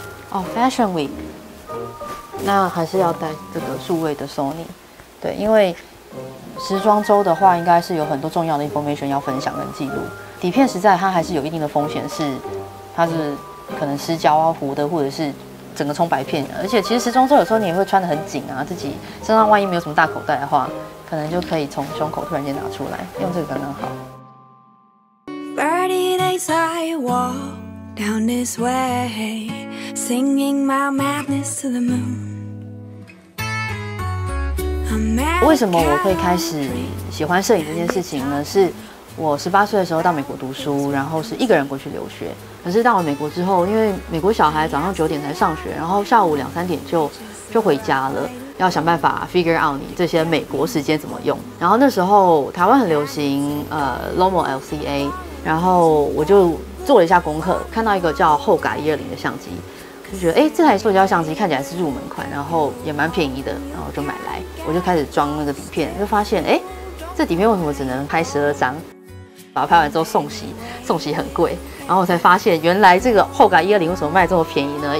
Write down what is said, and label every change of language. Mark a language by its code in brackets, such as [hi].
[zh] 哦 ，Fashion Week， 那还是要带这个数位的 Sony， 对，因为时装周的话，应该是有很多重要的 information 要分享跟记录。底片实在它还是有一定的风险，是它是可能失焦啊、糊的，或者是整个冲白片。而且其实时装周有时候你也会穿得很紧啊，自己身上万一没有什么大口袋的话。可能就可以从胸口突然间拿出来，用这个刚刚好。 [en] 30 days I walk down this way, singing my madness to the moon. [zh] 为什么我会开始喜欢摄影这件事情呢？是我18岁的时候到美国读书，然后是一个人过去留学。可是到了美国之后，因为美国小孩早上9点才上学，然后下午2-3点就回家了。要想办法 [en] figure out [zh] 你这些美国时间怎么用。然后那时候台湾很流行Lomo LCA， 然后我就做了一下功课，看到一个叫后改120的相机，就觉得这台塑胶相机看起来是入门款，然后也蛮便宜的，然后就买来，我就开始装那个底片，就发现这底片为什么只能拍12张，把它拍完之后送洗很贵，然后我才发现原来这个后改120为什么卖这么便宜呢？